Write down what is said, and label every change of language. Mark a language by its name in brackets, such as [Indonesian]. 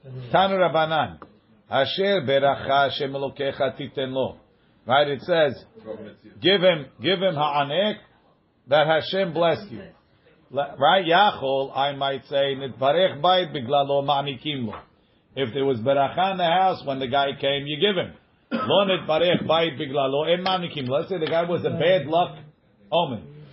[Hebrew] תנו רבנן, אשר ברכה שמלוקיך תיתן לו. [English] Right, it says, give him הענק that Hashem blessed you. [Hebrew] Right, יכול, [English] I might say, [Hebrew] נתברך בית בגללו מעניקים לו. [English] If there was ברכה in the house, when the guy came, you give him. [Hebrew] לא נתברך בית בגללו, אין מעניקים לו. [English] Let's say the guy was a bad luck omen.